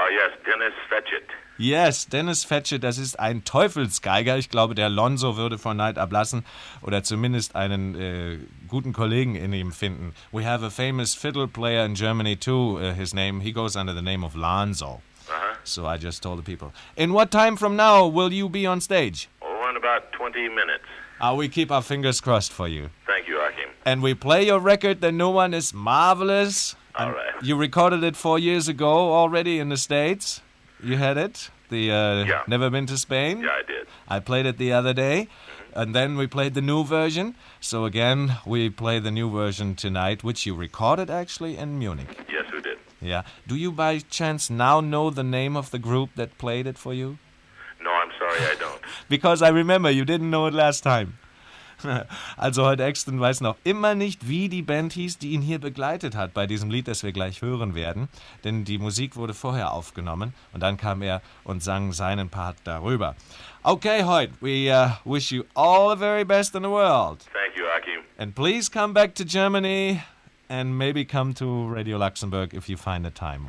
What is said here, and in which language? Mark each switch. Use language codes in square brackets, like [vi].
[en] Yes, Dennis Fetchett. [de] Yes, Dennis Fetchett, das ist ein Teufelsgeiger. Ich glaube, der Lonzo würde von Neid ablassen oder zumindest einen guten Kollegen in ihm finden. [en] We have a famous fiddle player in Germany too, he goes under the name of Lonzo. Uh-huh. So I just told the people. In what time from now will you be on stage? Oh, in about 20. 20 minutes. We keep our fingers crossed for you. Thank you, Achim. And we play your record. The new one is marvelous. All right. You recorded it 4 years ago already in the States. You had it? Never Been to Spain? Yeah, I did. I played it the other day. Mm-hmm. And then we played the new version. So again, we play the new version tonight, which you recorded actually in Munich. Yes, we did. Yeah. Do you by chance now know the name of the group that played it for you? No, I'm sorry, I don't. Because I remember you didn't know it last time. [de] Also, heute Exton weiß noch immer nicht, wie die Band hieß, die ihn hier begleitet hat bei diesem Lied, das wir gleich hören werden. Denn die Musik wurde vorher aufgenommen und dann kam er und sang seinen Part darüber. [en] Okay, Hoyt, we wish you all the very best in the world. Thank you, Achim. And please come back to Germany and maybe come to Radio Luxembourg if you find the time.